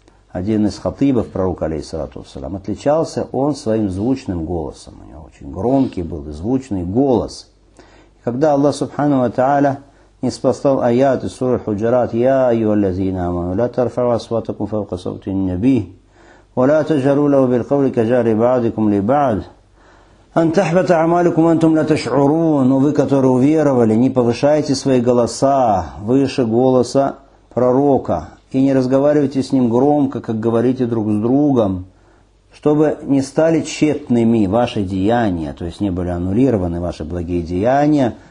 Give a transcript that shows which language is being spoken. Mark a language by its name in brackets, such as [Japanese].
[Russian] Один из хатибов пророка, алейхиссалату вассалам. Отличался он своим звучным голосом. У него очень громкий был и звучный голос. Когда Аллах субхану ва тааля ниспослал аят из суры Худжарат: «Я, айюа аллазина аману, ла тарфау асватакум фаука саути ан-наби». [Arabic] ولا تجهروا له بالقول كجهر بعضكم لبعض ان تحبط اعمالكم وانتم لا تشعرون. [Russian] Вы, которые уверовали, не повышайте свои голоса выше голоса пророка и не разговаривайте с ним громко, как говорите друг с другом, чтобы не стали тщетными ваши деяния, то есть не были аннулированы ваши благие деяния.